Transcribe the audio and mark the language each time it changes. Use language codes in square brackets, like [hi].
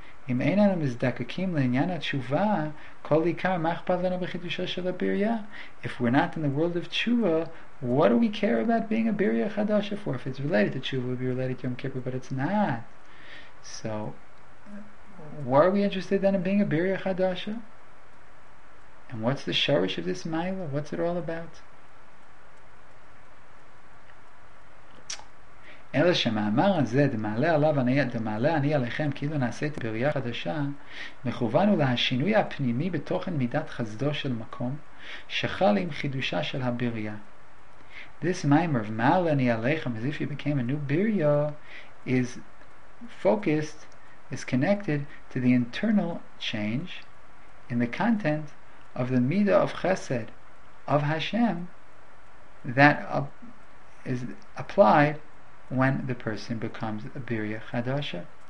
[he] Im Einan Mizdakakim Lenyana Tshuva, [en] if we're not in the world of tshuva, what do we care about being a birya chadasha for? If it's related to tshuva, it would be related to Yom Kippur, but it's not. So, why are we interested then in being a birya chadasha? And what's the shorish of this maila? What's it all about? [he] אלא שמאמר הזה דמעלה עליו אני, דמעלה אני עליכם כאילו נעשית בריאה חדשה מכוון הוא להשינוי הפנימי בתוכן מידת חסדו של מקום שחל עם חידושה של הבריאה. [en] This mimer of [he] מעלה אני עליכם [en] as if you became a new בריאה is focused, is connected to the internal change in the content of the מידה of חסד of Hashem that is applied when the person becomes a Birya Chadasha.